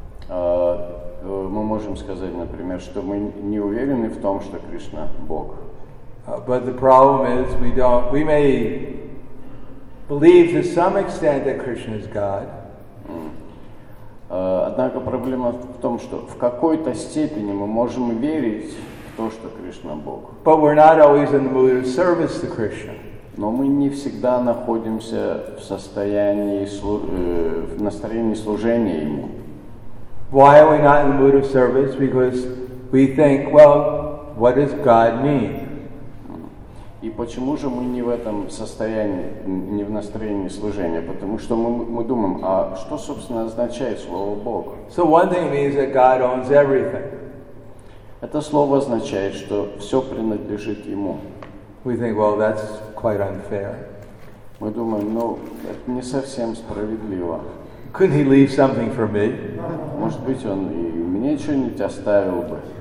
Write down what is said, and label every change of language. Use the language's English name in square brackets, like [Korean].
[Russian] Мы можем сказать, например, что мы не уверены в том, что Кришна Бог. [English] But the problem is we may believe to some extent that Krishna is God. [Russian] Однако проблема в том, что в какой-то степени мы можем верить в то, что Кришна Бог. [English] But we're not always in the mood of service to Krishna. [Russian] Но мы не всегда находимся в состоянии в настроении служения ему. [English] Why are we not in the mood of service? Because we think, well, what does God mean? [Russian] И почему же мы не в этом состоянии, не в настроении служения? Потому что мы думаем, а что собственно означает слово Бог? [English] So one thing means that God owns everything. [Russian] Это слово означает, что все принадлежит ему. [English] We think, well, that's quite unfair. [Russian] Мы думаем, ну, это не совсем справедливо. [English] Couldn't he leave something for me? [Russian] Может быть, он и мне что-нибудь оставил бы.